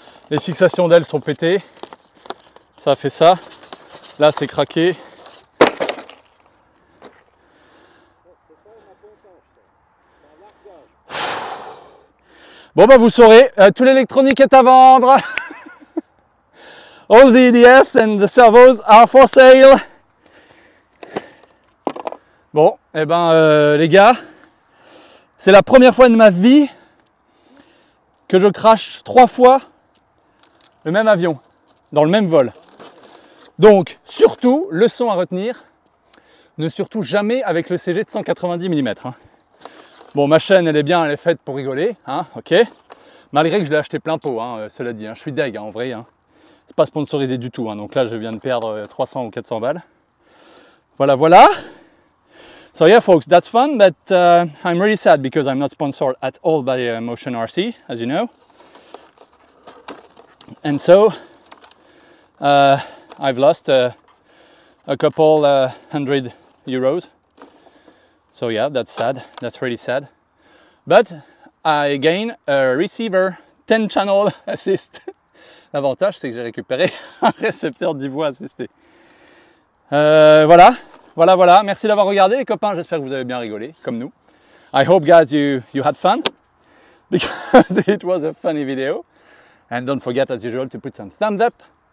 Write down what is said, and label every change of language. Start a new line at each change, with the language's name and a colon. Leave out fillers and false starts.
French: Les fixations d'ailes sont pétées. Ça fait ça. Là, c'est craqué. Bon bah vous saurez, tout l'électronique est à vendre.
English: All the EDFs and the servos are for sale.
French: Bon, et eh ben les gars, c'est la première fois de ma vie que je crache 3 fois le même avion, dans le même vol. Donc surtout, leçon à retenir, ne surtout jamais avec le CG de 190 mm. Hein. Bon, ma chaîne, elle est bien, elle est faite pour rigoler, hein, ok. Malgré que je l'ai acheté plein pot, hein, cela dit, hein, je suis deg, hein, en vrai. Hein. C'est pas sponsorisé du tout, hein, donc là, je viens de perdre 300 ou 400 balles. Voilà, voilà.
English: So yeah, folks, that's fun, but I'm really sad because I'm not sponsored at all by Motion RC, as you know. And so, I've lost a couple hundred euros. So yeah, that's sad. That's really sad. But I gain a receiver 10 channel assist.
French: L'avantage, c'est que j'ai récupéré un récepteur 10 voix assisté. Voilà, voilà, voilà. Merci d'avoir regardé, les copains. J'espère que vous avez bien rigolé, comme nous.
English: I hope, guys, you had fun because it was a funny video. And don't forget, as usual, to put some thumbs up.